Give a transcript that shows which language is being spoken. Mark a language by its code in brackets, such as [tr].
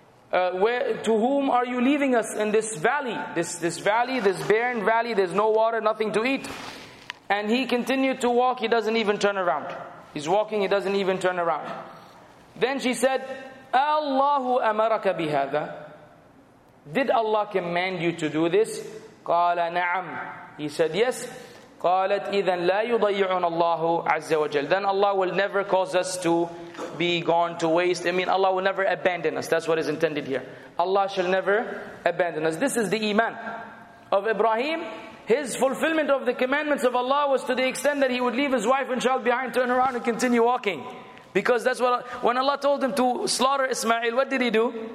[en] To whom are you leaving us in this valley? This barren valley, there's no water, nothing to eat." And he continued to walk, he doesn't even turn around. He's walking, he doesn't even turn around. [ar] Then she said, "Allahu amaraka bihada? [en] Did Allah command you to do this?" [ar] قَالَ نَعَمْ. [en] He said, "Yes." [ar] قالت إذن لا يضيعنا الله عز وجل. [en] Then Allah will never cause us to be gone to waste. I mean, Allah will never abandon us. That's what is intended here. Allah shall never abandon us. This is the iman of Ibrahim. His fulfillment of the commandments of Allah was to the extent that he would leave his wife and child behind, turn around and continue walking. Because that's what, when Allah told him to slaughter Ismail, what did he do?